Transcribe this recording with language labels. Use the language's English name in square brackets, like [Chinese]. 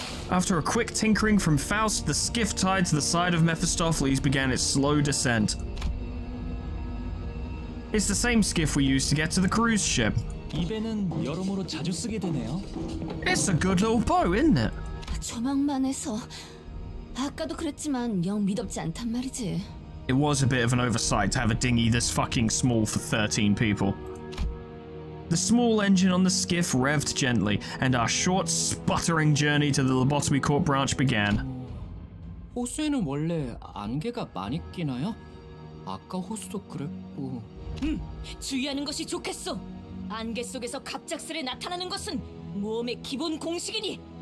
[English] After a quick tinkering from Faust, the skiff tied to the side of Mephistopheles began its slow descent. It's the same skiff we used to get to the cruise ship. It's a good little boat, isn't it? [Korean] 조망만 해서 아까도 그랬지만 영 믿었지 않단 말이지. [English] It was a bit of an oversight to have a dinghy this fucking small for 13 people. The small engine on the skiff revved gently, and our short, sputtering journey to the Lobotomy Corp branch began. [Korean] 호수에는 원래 안개가 많이 끼나요? 아까 호수도 그랬고... 주의하는 것이 좋겠소! 안개 속에서 갑작스레 나타나는 것은 모험의 기본 공식이니!